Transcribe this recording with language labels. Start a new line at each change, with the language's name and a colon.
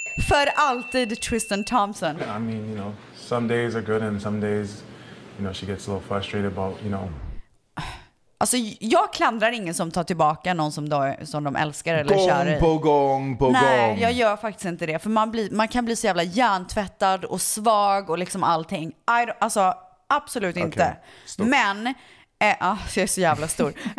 Swedish: För alltid Tristan Thompson.
English: I mean, you know, some days are good and some days, you know, she gets a little frustrated about, you know.
Swedish: Alltså, jag klandrar ingen som tar tillbaka någon som de älskar eller kär. Gång på gång på gång. Nej, jag gör faktiskt inte det. För man kan bli så jävla hjärntvättad och svag och liksom allting. Alltså, absolut inte. Okay. Men... jag är så jävla stor.